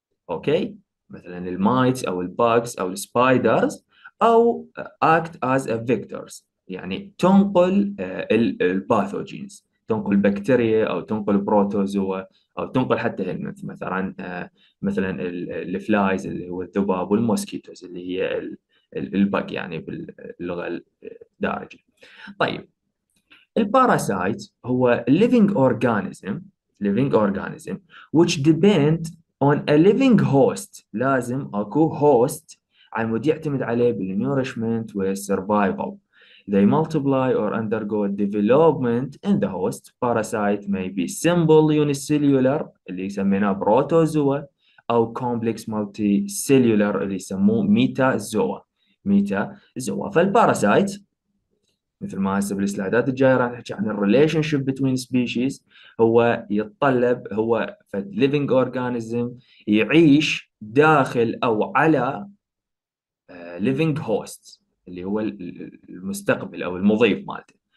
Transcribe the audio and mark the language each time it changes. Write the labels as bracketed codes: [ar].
[ar] اوكي، مثلا المايت او الباكس او السبايدرز، او اكت از فيكتورز يعني تنقل الباثوجينز، تنقل بكتيريا او تنقل بروتوزوا او تنقل حتى هلمنت مثلا، مثلا الفلايز اللي هو الذباب والموسكيتوز اللي هي الباك يعني باللغة الدارجة. طيب الباراسايت هو [en] living organism, living organism which depend on a living host. [ar] لازم اكو host على مود يعتمد عليه بالنورشمنت والسرفايفل. [en] They multiply or undergo development in the host. Parasite may be simple unicellular [ar] اللي سميناه بروتوزوا أو [en] complex multicellular [ar] اللي يسموه ميتازوا. ميتازوا. فالباراسايت مثل ما هسه بالسلايدات الجايه راح نحكي عن الريليشنشيب بين سبيشيز، هو يتطلب هو فد ليفينج اورجانيزم يعيش داخل او على ليفينج هوست اللي هو المستقبل او المضيف مالته.